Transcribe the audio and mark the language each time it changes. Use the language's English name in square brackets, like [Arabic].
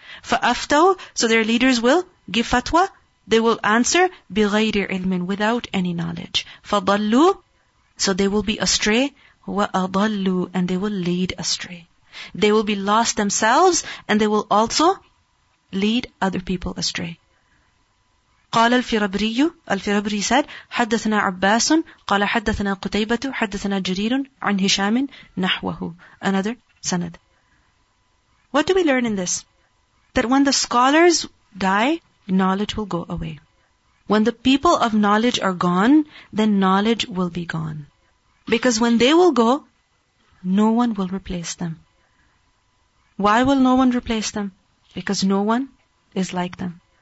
[English] فَأَفْتَوْا, so their leaders will give fatwa. They will answer [Arabic] بِغَيْرِ عِلْمٍ, [English] without any knowledge. فَضَلُّوا, so they will be astray. وَأَضَلُّوا, and they will lead astray. They will be lost themselves, and they will also lead other people astray. [Arabic] قال الفربري, الفربري said, حدثنا عباس قال حدثنا قتيبة حدثنا جرير عن هشام نحوه, another سند. [English] What do we learn in this? That when the scholars die, knowledge will go away. When the people of knowledge are gone, then knowledge will be gone. Because when they will go, no one will replace them. Why will no one replace them? Because no one is like them.